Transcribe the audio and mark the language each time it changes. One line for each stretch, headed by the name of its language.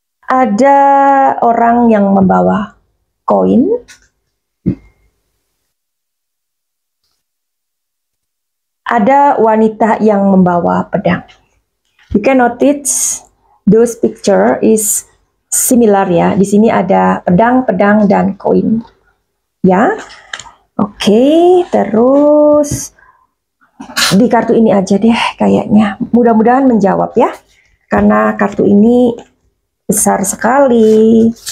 Indonesian: Ada orang yang membawa koin. Ada wanita yang membawa pedang.
English: You can notice those picture is similar ya.
Indonesian: Di sini ada pedang dan koin. Ya. Oke, terus di kartu ini aja deh kayaknya. Mudah-mudahan menjawab ya. Karena kartu ini besar sekali.